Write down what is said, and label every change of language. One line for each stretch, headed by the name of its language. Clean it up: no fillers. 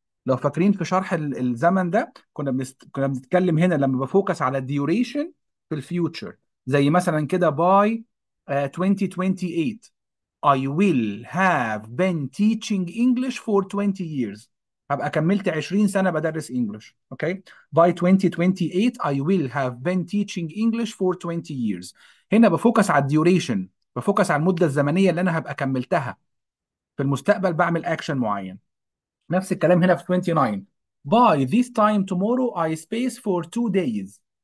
Arabic: لو فاكرين في شرح الزمن ده كنا بنتكلم هنا لما بفوكس على الديوريشن في الفيوتشر، زي مثلا كده باي 2028
English: I will have been teaching English for 20 years.
Arabic: هبقى كملت 20 سنة بدرس English. Okay.
English: By 2028 I will have been teaching English for 20 years.
Arabic: هنا بفوكس على الديوريشن، بفوكس على المدة الزمنية اللي أنا هبقى كملتها. في المستقبل بعمل أكشن معين. نفس الكلام هنا في 29.
English: By this time tomorrow I space for 2 days.